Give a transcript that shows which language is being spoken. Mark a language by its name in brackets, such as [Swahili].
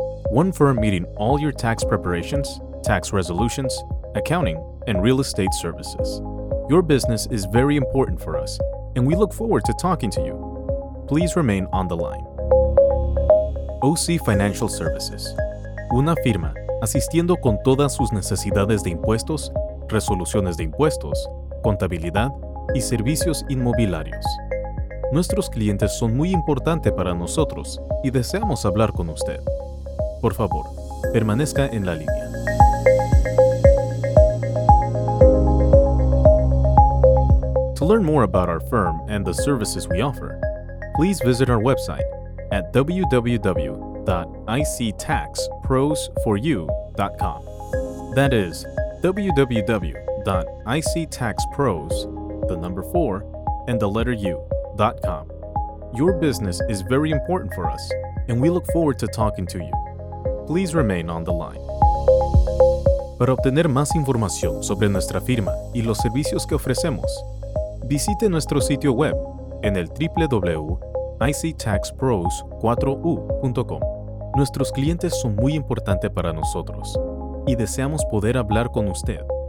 [English] One firm meeting all your tax preparations, tax resolutions, accounting, and real estate services. Your business is very important for us, and we look forward to talking to you. Please remain on the line. OC Financial Services. [Spanish] Una firma asistiendo con todas sus necesidades de impuestos, resoluciones de impuestos, contabilidad y servicios inmobiliarios. Nuestros clientes son muy importantes para nosotros y deseamos hablar con usted. Por favor, permanezca en la línea. [English] To learn more about our firm and the services we offer, please visit our website at www.ictaxprosforyou.com. That is www.ictaxpros4u.com. Your business is very important for us, and we look forward to talking to you. Please remain on the line. [Spanish] Para obtener más información sobre nuestra firma y los servicios que ofrecemos, visite nuestro sitio web en el www.ictaxpros4u.com. Nuestros clientes son muy importantes para nosotros y deseamos poder hablar con usted.